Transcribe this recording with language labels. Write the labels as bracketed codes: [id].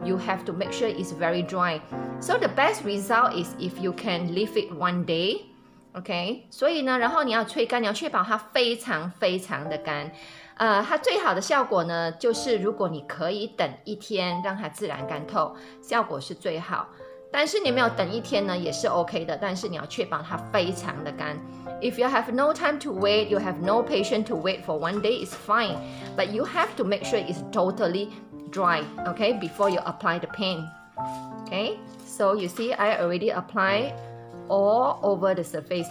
[en] You have to make sure it's very dry. So the best result is if you can leave it one day. [zh] Okay, 所以呢，然后你要吹干，你要确保它非常非常的干。它最好的效果呢，就是如果你可以等一天让它自然干透，效果是最好。但是你没有等一天呢，也是 OK 的，但是你要确保它非常的干。 [en] If you have no time to wait, you have no patience to wait for one day, it's fine. But you have to make sure it's totally dry, okay, before you apply the paint. Okay, so you see, I already applyAll over the surface.